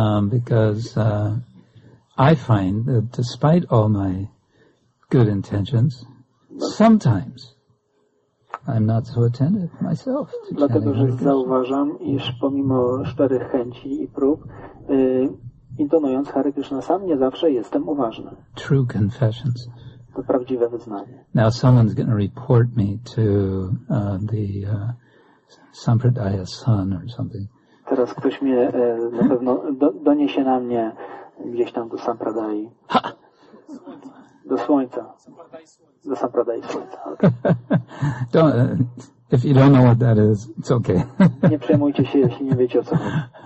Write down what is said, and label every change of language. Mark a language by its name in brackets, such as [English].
[English] Because I find that despite all my good intentions, sometimes I'm not so attentive myself. [Polish] Dlatego, że zauważam, iż pomimo szczerych chęci i prób, intonując Hare Krishna, sam nie zawsze jestem uważny. [English] True confessions. [Polish] To prawdziwe wyznanie. [English] Now someone's going to report me to the Sampradaya Sun or something. [Polish] teraz ktoś mnie na pewno doniesie na mnie gdzieś tam do Sampradai. Do słońca. Do Sampradai słońca. [English] Okay. Don't, if you don't know what that is, it's okay. [Polish] Nie przejmujcie się, jeśli nie wiecie, o co chodzi.